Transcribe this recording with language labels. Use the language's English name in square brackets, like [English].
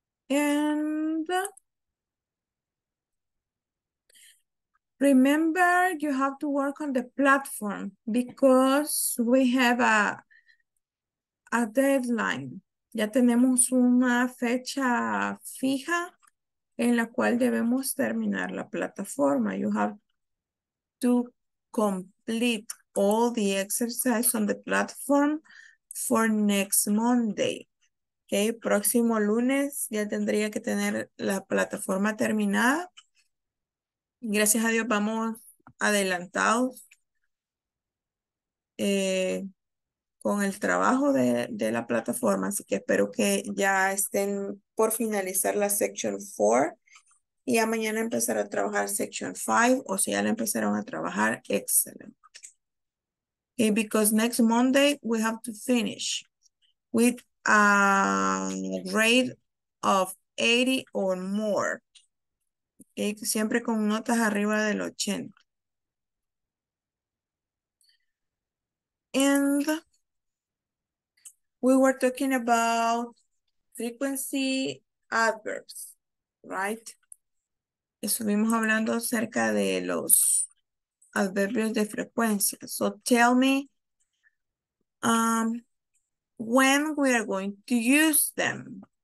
[English] And remember, you have to work on the platform because we have a deadline. [Spanish] Ya tenemos una fecha fija en la cual debemos terminar la plataforma. [English] You have to complete all the exercises on the platform for next Monday. [Spanish] Okay, próximo lunes ya tendría que tener la plataforma terminada. Gracias a Dios vamos adelantados con el trabajo de la plataforma, así que espero que ya estén por finalizar la section 4 y ya mañana empezar a trabajar section 5, o si ya la empezaron a trabajar, excelente. [English] Okay, because next Monday we have to finish with a grade of 80 or more. [Spanish] Okay, siempre con notas arriba del 80. [English] And we were talking about frequency adverbs, right? [Spanish] Estuvimos hablando acerca de los adverbios de frecuencia. [English] So tell me, when we are going to use them.